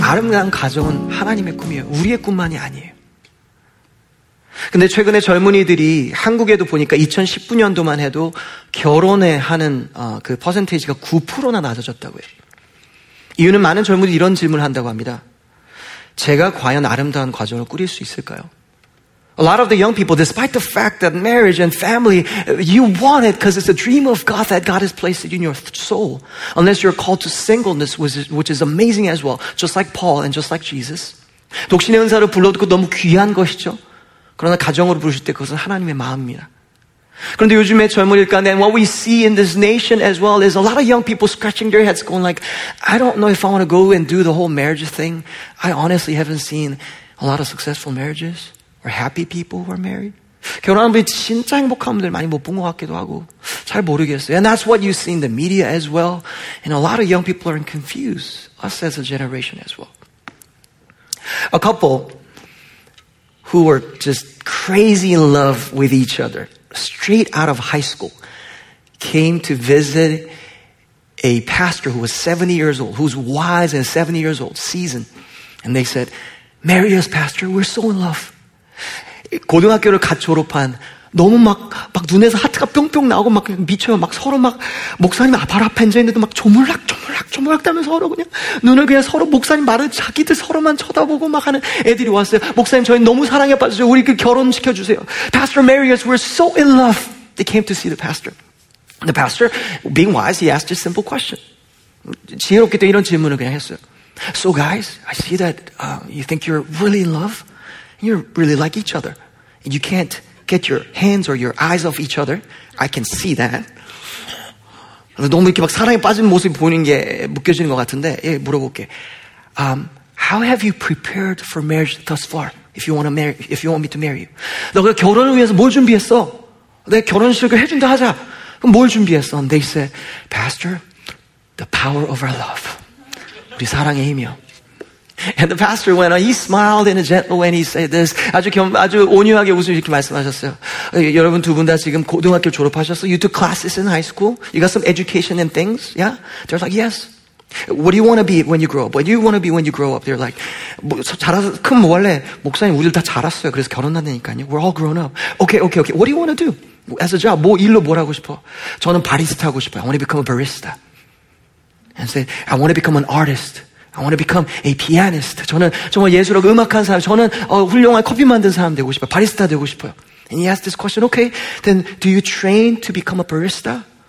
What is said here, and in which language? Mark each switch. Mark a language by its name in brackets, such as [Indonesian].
[Korean] 아름다운 가정은 하나님의 꿈이에요. 우리의 꿈만이 아니에요. 근데 최근에 젊은이들이 한국에도 보니까 2019년도만 해도 결혼에 하는 그 퍼센테이지가 9%나 낮아졌다고 해요. 이유는 많은 젊은이들이 이런 질문을 한다고 합니다. 제가 과연 아름다운 가정을 꾸릴 수 있을까요? [English] A lot of the young people, despite the fact that marriage and family, you want it because it's a dream of God that God has placed it in your soul. Unless you're called to singleness, which is amazing as well. Just like Paul and just like Jesus. [Korean] 독신의 은사를 불러듣고 너무 귀한 것이죠? 그러나 가정으로 부르실 때 그것은 하나님의 마음입니다. 그런데 요즘에 젊은이들 가운데 [English] what we see in this nation as well is a lot of young people scratching their heads going like, I don't know if I want to go and do the whole marriage thing. I honestly haven't seen a lot of successful marriages. Or happy people who are married. [Korean] 결혼한 분이 진짜 행복한 분들 많이 못 본 것 같기도 하고 잘 모르겠어요. [English] And that's what you see in the media as well. And a lot of young people are confused. Us as a generation as well. A couple who were just crazy in love with each other straight out of high school came to visit a pastor who was 70 years old, who's wise and 70 years old, seasoned. And they said, marry us, pastor. We're so in love. [Korean] 고등학교를 같이 졸업한 너무 막 눈에서 하트가 뿅뿅 나오고 막 미쳐요. 막 서로 막 목사님 발 앞에 앉아있는데도 막 조물락 조물락 조물락 따면서 서로 그냥 눈을 그냥 서로 목사님 말을 자기들 서로만 쳐다보고 막 하는 애들이 왔어요. 목사님 저희 너무 사랑에 빠져서 우리 그 결혼시켜 주세요. [English] Pastor Mary us, we're so in love. They came to see the pastor. The pastor, being wise, he asked a simple question. [Korean] 지혜롭기 때문에 이런 질문을 그냥 했어요. [English] So guys, I see that you think you're really in love. You really like each other. You can't get your hands or your eyes off each other. I can see that. [Korean] 너무 이렇게 막 사랑에 빠진 모습이 보이는 게 묶여지는 것 같은데 예, 물어볼게. [English] How have you prepared for marriage thus far? If you want me to marry you. [Korean] 너가 결혼을 위해서 뭘 준비했어? 내가 결혼식을 해준다 하자. 그럼 뭘 준비했어? [English] And they said, Pastor, the power of our love. [Korean] 우리 사랑의 힘이요. [English] And the pastor went on, he smiled in a gentle way and he said this. [Korean] 아주 온유하게 웃으면서 이렇게 말씀하셨어요. 여러분 두 분 다 지금 고등학교 졸업하셨어? [English] You took classes in high school? You got some education and things? Yeah? They're like, yes. What do you want to be when you grow up? What do you want to be when you grow up? They're like, [Korean] 그럼 뭐 할래? 목사님, 우리 다 자랐어요. 그래서 결혼한다니까요. [English] We're all grown up. Okay. What do you want to do? As a job, [Korean] 뭐 일로 뭘 하고 싶어? 저는 바리스타 하고 싶어요. [English] I want to become a barista. And say, I want to become an artist. I want to become a pianist. [Korean] 저는 정말 예술하고 음악하는 사람. 저는 훌륭한 커피 만든 사람 되고 싶어요. 바리스타 되고 싶어요. [English] And he asked this question, okay, then do you train to become a barista?